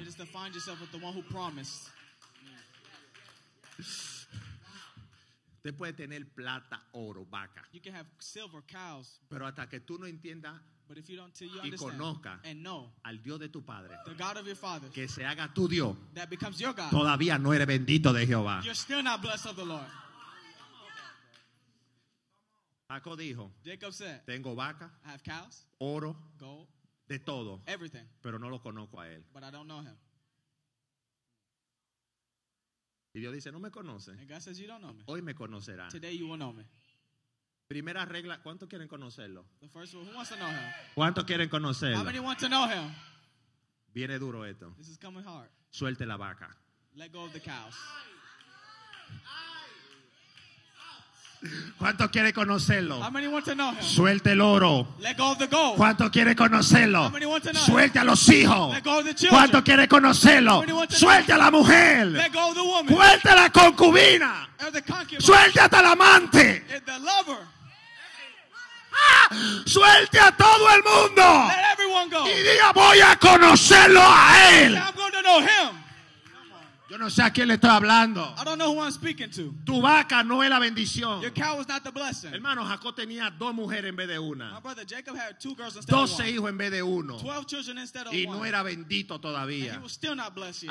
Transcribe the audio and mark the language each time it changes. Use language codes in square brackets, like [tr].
[en] It is to find yourself with the one who promised. [es] Usted puede tener plata, oro, vaca. [en] You can have silver, cows, [es] pero hasta que tú no entiendas [en] y understand, [es] conozca [en] and know, [es] al Dios de tu padre, [en] the God of your father, [es] que se haga tu Dios, [en] that becomes your God, [es] todavía no eres bendito de Jehová. [en] You're still not blessed of the Lord. [es] Jacob dijo, [en] Jacob said, [es] tengo vaca, [en] I have cows, [es] oro, [en] gold, [es] de todo, [en] everything, [es] pero no lo conozco a él. [en] But I don't know him. [es] Y Dios dice, no me conoce. [en] And God says, you don't know me. [es] Hoy me conocerá. [en] Today you will know me. [es] Primera regla, ¿cuántos quieren conocerlo? [en] The first rule, who wants to know him? [es] ¿Cuántos quieren conocerlo? [en] How many want to know him? [es] Viene duro esto. [en] This is coming hard. [es] Suelte la vaca. [en] Let go of the cows. [es] ¿Cuánto quiere conocerlo? [en] How many want to know him? [es] Suelte el oro. [en] Let go of the gold. [es] ¿Cuánto quiere conocerlo? [en] How many want to know [es] suelte [en] him? [es] A los hijos. [en] Let go of the children. [es] ¿Cuánto quiere conocerlo? [en] How many want to [es] suelte [en] know [es] a la mujer. [en] Let go of the woman. [es] Suelte a la concubina. [en] The concubine. [es] Suelte hasta el amante. [en] The lover. [es] Suelte a todo el mundo. [en] Let everyone go. [es] Y diga, voy a conocerlo a él. [en] I'm going to know him. [es] Yo no sé a quién le estoy hablando. [en] I don't know who I'm speaking to. [es] Tu vaca no es la bendición. [en] Your cow was not the blessing. [es] Hermano, Jacob tenía dos mujeres en vez de una. [en] My brother Jacob had two girls instead 12 of one. [es] Hijos en vez de uno. [en] 12 children instead of [es] y [en] one. [es] No era bendito todavía. [en] And he was still not blessed yet.